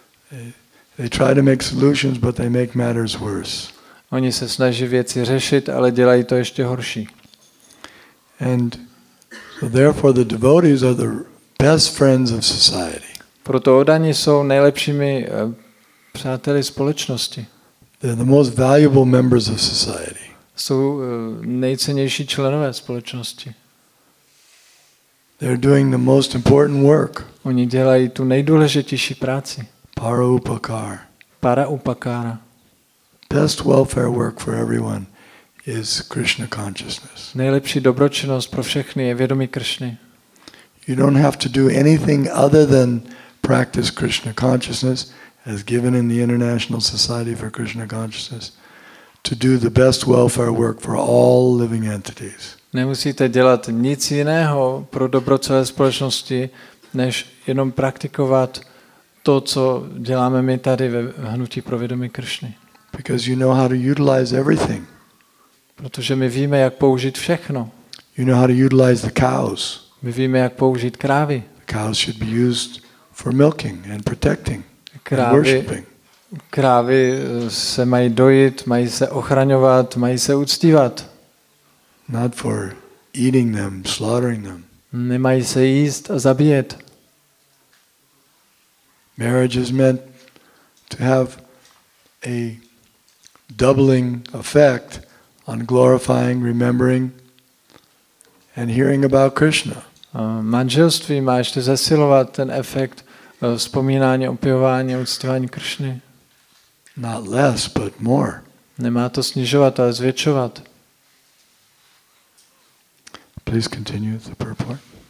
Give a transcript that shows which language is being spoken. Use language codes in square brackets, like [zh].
[en] They try to make solutions, but they make matters worse. [cs] Oni se snaží věci řešit, ale dělají to ještě horší. [en] And so therefore the devotees are the best friends of society. [cs] Proto oddaní jsou nejlepšími přáteli společnosti. [en] They're the most valuable members of society. [cs] Jsou nejcennější členové společnosti. [en] They're doing the most important work. [cs] Oni dělají tu nejdůležitější práci. [sa] Paraupakara. Paraupakara. [en] Best welfare work for everyone is Krishna consciousness. [cs] Nejlepší dobročinnost pro všechny je vědomí Kršny. [en] You don't have to do anything other than practice Krishna consciousness as given in the International Society for Krishna Consciousness to do the best welfare work for all living entities. [cs] Nemusíte dělat nic jiného pro dobro celé společnosti, než jenom praktikovat to, co děláme my tady ve hnutí pro vědomí Kršny. [en] Because you know how to utilize everything. [cs] Protože my víme, jak použít všechno. [en] You know how to utilize the cows. [cs] My víme, jak použít krávy. [en] Cows should be used for milking and protecting. [cs] Krávy, [en] and worshiping. [cs] Krávy se mají dojit, mají se ochraňovat, mají se uctívat. [en] Not for eating them, slaughtering them. [cs] Nemají se jíst a zabíjet. [en] Marriage is meant to have a doubling effect on glorifying, remembering and hearing about Krishna. [cs] Manželství má ještě zesilovat ten efekt vzpomínání, opěvování, uctívání Kršny. [en] Not less, but more. [cs] Nemá to snižovat, ale zvětšovat. [en] Please continue the purport.